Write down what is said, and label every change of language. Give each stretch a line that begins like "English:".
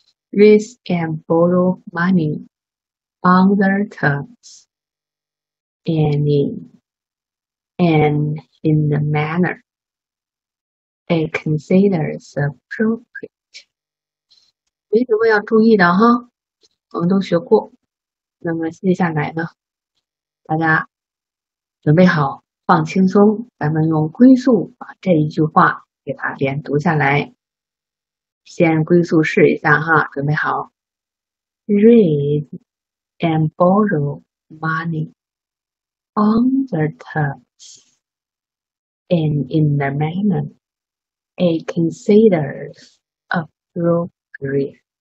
English: Raise and borrow money on the terms and in the manner it considers appropriate.
Chinese: 没什么要注意的哈，我们都学过。那么接下来呢，大家准备好放轻松，咱们用龟速把这一句话给它连读下来。先龟速试一下哈，准备好。
English: Raise and borrow money on the terms and in the manner it considers appropriate.